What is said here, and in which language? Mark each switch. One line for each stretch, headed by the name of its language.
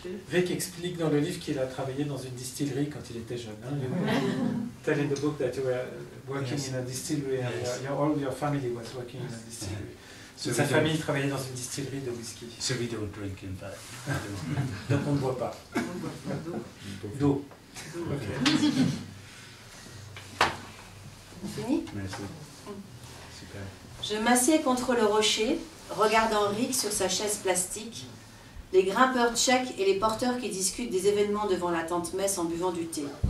French: Rick explique dans le livre qu'il a travaillé dans une distillerie quand il était jeune. Hein?
English: Tell in the book that you were working in a distillery and all your family was working in a distillery.
French: Sa famille travaillait dans une distillerie de whisky.
English: So we don't drink in fact.
French: Donc on ne boit pas. On boit pas d'eau. Fini? Merci. Super. Je m'assieds contre le rocher, regardant Rick sur sa chaise plastique, les grimpeurs tchèques et les porteurs qui discutent des événements devant la tente messe en buvant du thé.